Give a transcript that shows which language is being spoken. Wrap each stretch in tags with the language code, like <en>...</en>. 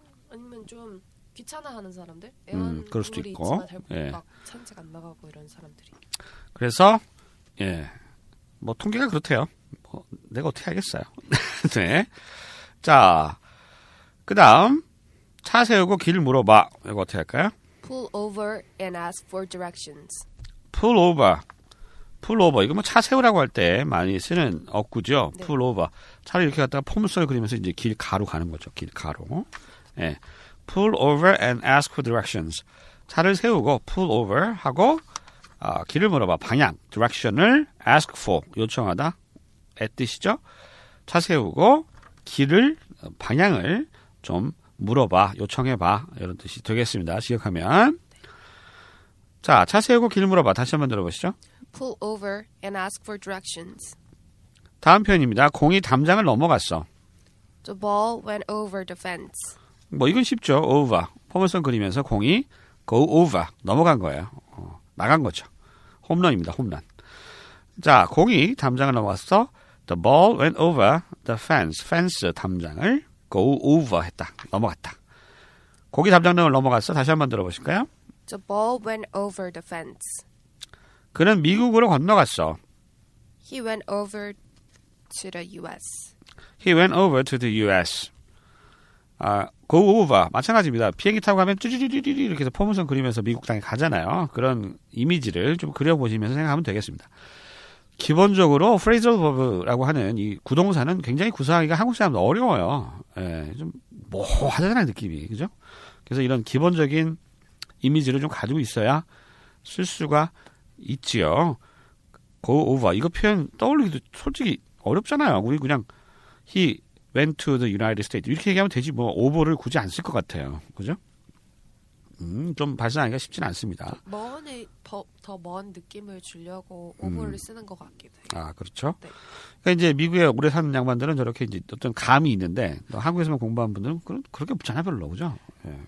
<ko>아니면 좀 귀찮아하는 사람들, 그럴 수도 있고, 예. 막 산책 안 나가고 이런 사람들이. 그래서 예, 뭐 통계가 그렇대요. 뭐 내가 어떻게 알겠어요. 네, 자 그다음 차 세우고 길 물어봐. 이거 어떻게 할까요?</ko> <en>Pull over and ask for directions. Pull over. Pull over.</en> <ko>이거 뭐 차 세우라고 할 때 많이 쓰는 어구죠.</ko> <en>네. Pull over.</en> <ko>차를 이렇게 갖다가 포물선을 그리면서 이제 길 가로 가는 거죠. 길 가로. 예.</ko> <en>Pull over and ask for directions.</en> <ko>차를 세우고 pull over 하고 길을 물어봐. 방향. Direction을 ask for. 요청하다. 의 뜻이죠. 차 세우고 길을 방향을 좀 물어봐. 요청해봐. 이런 뜻이 되겠습니다. 지적하면. 자, 차 세우고 길 물어봐. 다시 한번 들어보시죠.</ko> <en>Pull over and ask for directions.</en> <ko>다음 표현입니다. 공이 담장을 넘어갔어.</ko> <en>The ball went over the fence.</en> <ko>뭐 이건 쉽죠. Over. 포물선 그리면서 공이 go over. 넘어간 거예요. 나간 거죠. 홈런입니다. 홈런. 자, 공이 담장을 넘어갔어.</ko> <en>The ball went over the fence. Fence</en> <ko>담장을</ko> <en>go over</en> <ko>했다. 넘어갔다. 공이 담장을 넘어갔어. 다시 한번 들어보실까요?</ko> <en>The ball went over the fence.</en> <ko>그는 미국으로 건너갔어.</ko> <en>He went over to the U.S. He went over to the U.S.</en> <ko>아, go over 마찬가지입니다. 비행기 타고 가면 쭈쭈쭈쭈 이렇게 해서 포물선 그리면서 미국 땅에 가잖아요. 그런 이미지를 좀 그려보시면서 생각하면 되겠습니다. 기본적으로 phrasal verb라고 하는 이 구동사는 굉장히 구사하기가 한국 사람도 어려워요. 예, 좀 모호하잖아요, 느낌이. 그죠? 그래서 이런 기본적인 이미지를 좀 가지고 있어야 쓸 수가 있지요.</ko> <en>Go over.</en> <ko>이거 표현 떠올리기도 솔직히 어렵잖아요. 우리 그냥</ko> <en>he went to the United States.</en> <ko>이렇게 얘기하면 되지. 뭐, over를 굳이 안 쓸 것 같아요. 그죠? 좀 발상하기가 쉽진 않습니다. 더 먼 느낌을 주려고 over를 쓰는 것 같기도 해요. 아, 그렇죠? 네. 그러니까 이제 미국에 오래 사는 양반들은 저렇게 이제 어떤 감이 있는데, 한국에서만 공부한 분들은 그렇게 없잖아요, 별로. 그죠? 예.</ko>